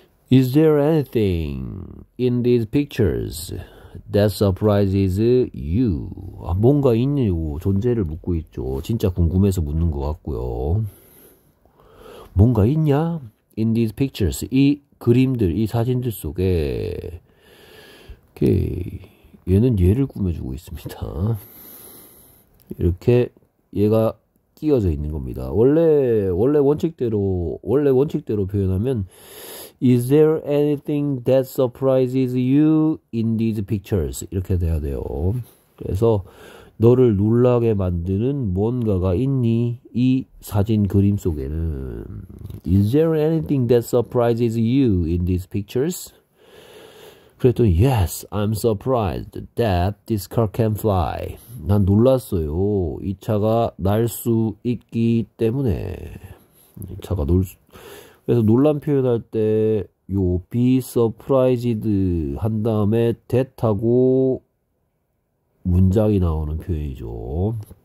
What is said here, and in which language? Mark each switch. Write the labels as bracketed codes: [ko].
[en] Is there anything in these pictures that surprises you? [ko] 아, 뭔가 있냐고 존재를 묻고 있죠. 진짜 궁금해서 묻는 것 같고요. 뭔가 있냐? [en] In these pictures, [ko] 이 그림들, 이 사진들 속에, 오케이. 얘는 얘를 꾸며주고 있습니다. 이렇게 얘가 끼어져 있는 겁니다. 원래 원칙대로 표현하면, [en] Is there anything that surprises you in these pictures? [ko] 이렇게 돼야 돼요. 그래서, 너를 놀라게 만드는 뭔가가 있니? 이 사진 그림 속에는. [en] Is there anything that surprises you in these pictures? [ko] 그랬더니, [en] Yes, I'm surprised that this car can fly. [ko] 난 놀랐어요. 이 차가 날수 있기 때문에. 이 차가 놀 수. 그래서 논란 표현할 때, 요, [en] be surprised [ko] 한 다음에 that하고, 문장이 나오는 표현이죠.